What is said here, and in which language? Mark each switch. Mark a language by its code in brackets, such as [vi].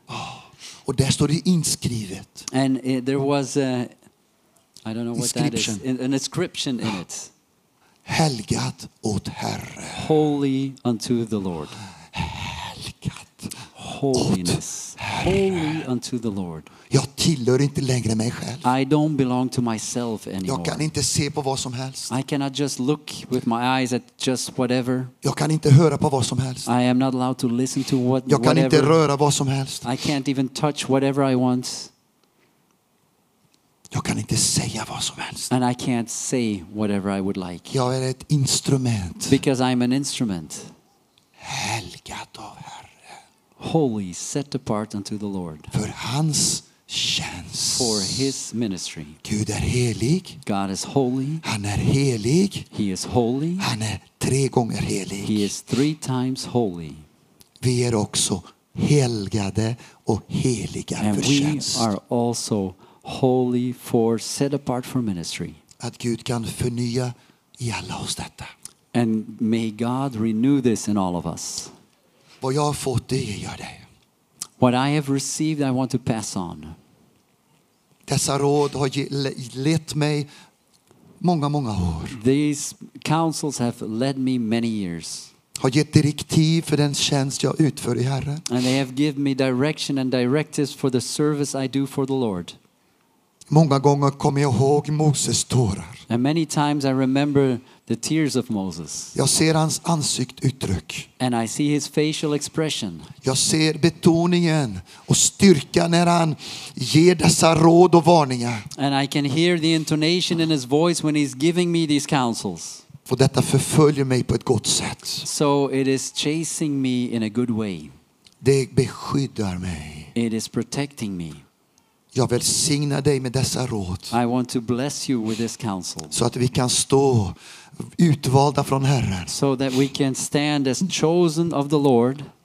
[sv] Oh, och där står det inskrivet. [en] And there was a, I don't know what that is. An inscription in it. [sv] Helgat åt Herre. [en] Holy unto the Lord. [sv] Helgat. [en] Holiness. Holy unto the Lord. [sv] Jag tillhör inte längre mig själv. [en] I don't belong to myself anymore. [sv] Jag kan inte se på vad som helst. [en] I cannot just look with my eyes at just whatever. [sv] Jag kan inte höra på vad som helst. [en] I am not allowed to listen to what. [sv] Jag kan inte röra vad som helst. [en] I can't even touch whatever I want. [sv] Jag kan inte säga vad som helst. [en] And I can't say whatever I would like. [sv] Jag är ett instrument. [en] Because I'm an instrument. [sv] Helgat av Herre. [en] Holy, set apart unto the Lord. [sv] För hans tjänst. [en] For his ministry. [sv] Gud är helig. [en] God is holy. [sv] Han är helig. [en] He is holy. [sv] Han är tre gånger helig. [en] He is three times holy. [sv] Vi är också helgade och heliga [en] and [sv] för tjänst. [en] And we are also holy for set apart for ministry. [sv] Att Gud kan förnya i alla oss detta. [en] And may God renew this in all of us. [sv] Vad jag har fått det gör det. [en] What I have received I want to pass on. [sv] Dessa råd har lett mig många många år. [en] These counsels have led me many years. [sv] Har gett direktiv för den tjänst jag utför i Herren. [en] And they have given me direction and directives for the service I do for the Lord. [sv] Många gånger kommer jag ihåg Moses tårar. [en] And many times I remember the tears of Moses. [sv] Jag ser hans ansiktsuttryck. [en] And I see his facial expression. [sv] Jag ser betoningen och styrkan när han ger dessa råd och varningar. [en] And I can hear the intonation in his voice when he's giving me these counsels. [sv] Och detta förföljer mig på ett gott sätt. [en] So it is chasing me in a good way. [sv] Det beskyddar mig. [en] It is protecting me. [sv] Jag vill signa dig med dessa råd. [en] I want to bless you with this counsel. [sv] Så att vi kan stå utvalda från Herren. [en] So that we can stand as chosen of the Lord.